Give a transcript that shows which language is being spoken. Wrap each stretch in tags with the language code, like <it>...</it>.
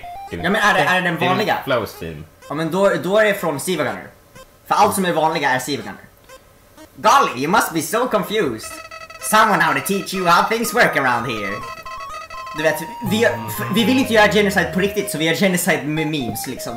<sv>Ja, men är det den vanliga?</sv> <en>Flow's theme.</en> <sv>Ja, men då är det från Sivagunner. För allt som är vanliga är Sivagunner.</sv> <en>Golly, you must be so confused. Someone ought to teach you how things work around here.</en> <sv>Du vet, vi vill inte göra genocide på riktigt, så vi gör genocide med memes, liksom.</sv>